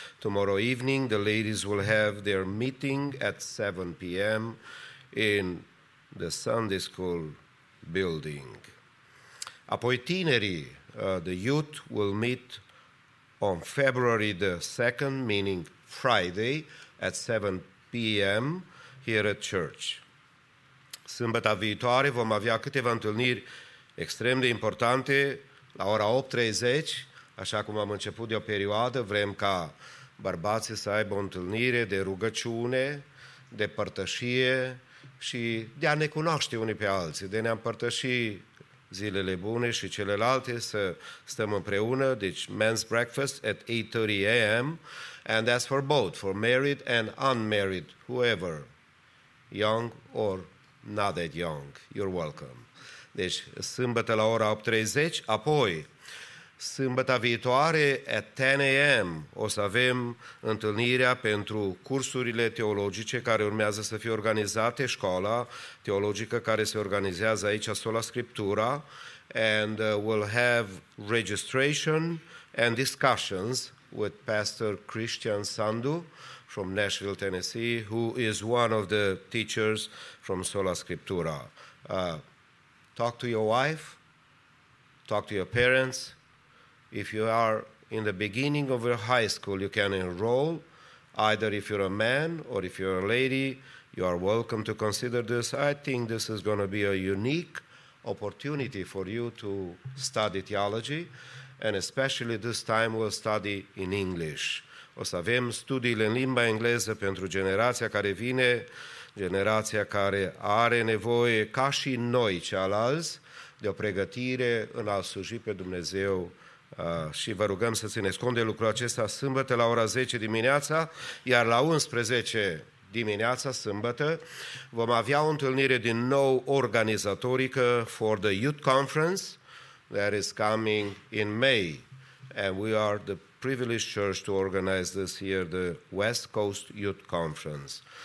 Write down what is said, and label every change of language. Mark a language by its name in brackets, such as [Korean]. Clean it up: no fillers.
[English] Tomorrow evening the ladies will have their meeting at 7 p.m. in the Sunday school building. [Romanian] Apoi tinerii, [English] the youth, will meet on February the 2nd, meaning Friday, at 7 p.m. here at church. [Romanian] Sâmbăta viitoare vom avea câteva întâlniri extrem de importante la ora 8:30, așa cum am început de o perioadă, vrem ca bărbații să aibă o întâlnire de rugăciune, de părtășie și de a ne cunoaște unii pe alții, de a ne împărtăși zilele bune și celelalte, să stăm împreună, deci [English] men's breakfast at 8:30 a.m. And that's for both, for married and unmarried, whoever, young or not that young, you're welcome. [Romanian] Deci, sâmbătă la ora 8:30, apoi, sâmbăta viitoare, [English] at 10 a.m., [Romanian] o să avem întâlnirea pentru cursurile teologice care urmează să fie organizate, școala teologică care se organizează aici, Sola Scriptura, [English] and we'll have registration and discussions with Pastor Christian Sandu from Nashville, Tennessee, who is one of the teachers from Sola Scriptura. Talk to your wife, talk to your parents. If you are in the beginning of your high school, you can enroll, either if you're a man or if you're a lady, you are welcome to consider this. I think this is going to be a unique opportunity for you to study theology, and especially this time we'll study in English. [Romanian] O să avem studiile în limba engleză pentru generația care vine, generația care are nevoie, ca și noi cealaltă, de o pregătire în a sluji pe Dumnezeu. Și vă rugăm să țineți cont de lucrul acesta sâmbătă la ora 10 dimineața, iar la 11 dimineața, sâmbătă, vom avea o întâlnire din nou organizatorică [English] for the Youth Conference, that is coming in May, and we are the privileged church to organize this year, the West Coast Youth Conference.